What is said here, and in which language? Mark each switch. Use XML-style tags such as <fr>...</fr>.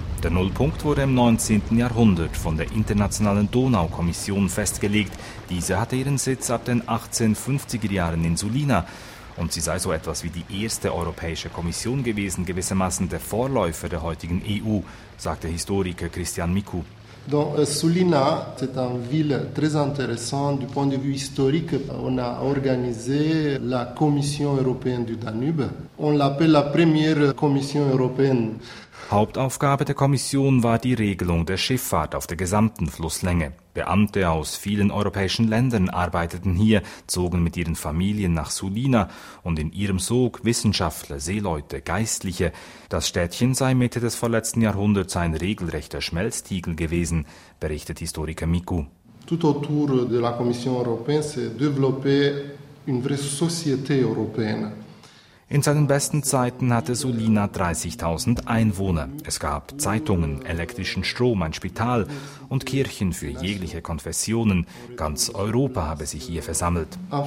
<de>Der Nullpunkt wurde im 19. Jahrhundert von der Internationalen Donaukommission festgelegt. Diese hatte ihren Sitz ab den 1850er Jahren in Sulina. Und sie sei so etwas wie die erste europäische Kommission gewesen, gewissermaßen der Vorläufer der heutigen EU, sagt der Historiker Christian Miku.</de> <fr>Donc Sulina, c'est une ville très intéressante du point de vue historique. On a organisé la Commission européenne du Danube. On l'appelle la première Commission européenne.</fr> <de>Hauptaufgabe der Kommission war die Regelung der Schifffahrt auf der gesamten Flusslänge. Beamte aus vielen europäischen Ländern arbeiteten hier, zogen mit ihren Familien nach Sulina und in ihrem Sog Wissenschaftler, Seeleute, Geistliche. Das Städtchen sei Mitte des vorletzten Jahrhunderts ein regelrechter Schmelztiegel gewesen, berichtet Historiker Miku.</de> <fr>Tout autour de la Commission européenne s'est développée une vraie société européenne.</fr> <de>In seinen besten Zeiten hatte Sulina 30.000 Einwohner. Es gab Zeitungen, elektrischen Strom, ein Spital und Kirchen für jegliche Konfessionen. Ganz Europa habe sich hier versammelt.</de>